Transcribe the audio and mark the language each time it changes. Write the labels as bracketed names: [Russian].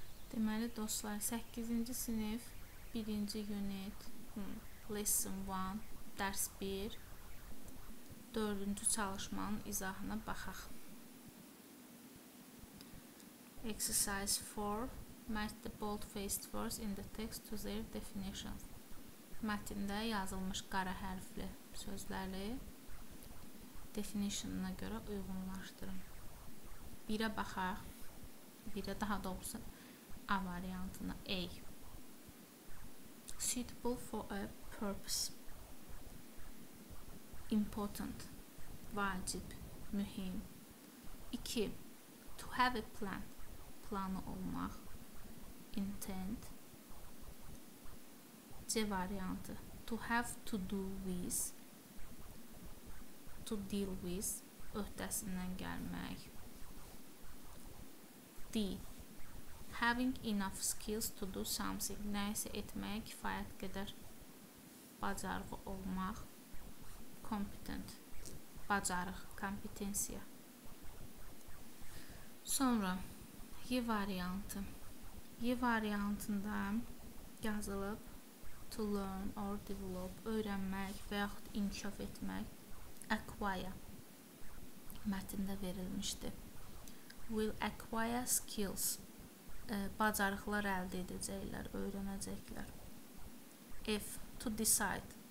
[Azerbaijani] Deməli dostlar, 8-ci sinif, 1-ci unit, lesson 1, dərs 1, 4-cü çalışmanın izahına baxaq. [English] Exercise 4, match the bold-faced words in the text to their definitions. [Azerbaijani] Mətində yazılmış qara hərfli sözləri definitionuna görə uyğunlaşdırın. 1-ə baxaq, 1-ə daha doğrusu. A variantına A. [English] Suitable for a purpose. Important. [Azerbaijani] Vacib. Mühim. [English] 2. To have a plan. [Azerbaijani] Planı olmaq. [English] Intent. [Azerbaijani] C variantı. [English] To have to do with. To deal with. [Azerbaijani] Öhdəsindən gəlmək. D. [English] Having enough skills to do something. [Azerbaijani] Nəyisə etməyə kifayət qədər bacarıq olmaq. Competent. Bacarıq. Kompetensiya. Sonra Y variantı. Y variantında yazılıb [English] to learn or develop. [Azerbaijani] Öyrənmək və yaxud inkişaf etmək. Acquire. Mətində verilmişdir. [English] Will acquire skills. [Azerbaijani] Bacarıqlar əldə edəcəklər, öyrənəcəklər. F. [English] To decide.